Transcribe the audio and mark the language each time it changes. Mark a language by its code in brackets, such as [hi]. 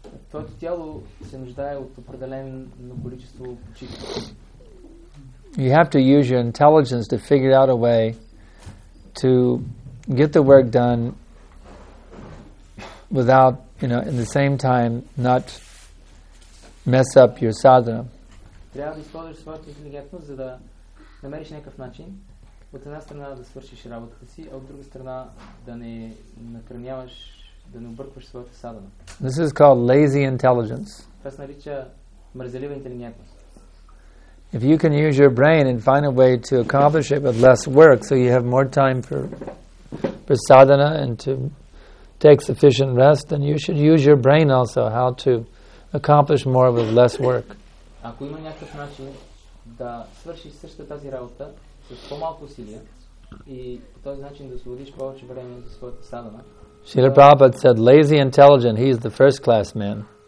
[bg] Твоето тяло се нуждае от определено количество почивка. [en] You have to use your intelligence to figure out a way to get the work done without, you know, in the same time not mess up your sadhana. [bg] Трябва да използваш своята интелигентност, за да намериш някакъв начин от една страна да свършиш работата си, а от друга страна да не накърняваш, да не объркваш своята садана. [en] This is called lazy intelligence. [bg] Това се нарича мързелива интелигентност. [en] If you can use your brain and find a way to accomplish it with less work, so you have more time for sadhana and to take sufficient rest, then you should use your brain also how to accomplish more with less work. [bg] Ако има някакъв начин да свършиш същата тази работа с по-малко усилия и по този начин да освободиш повече време за своята садана, [en] Srila Prabhupada said, lazy intelligent, he is the first class man.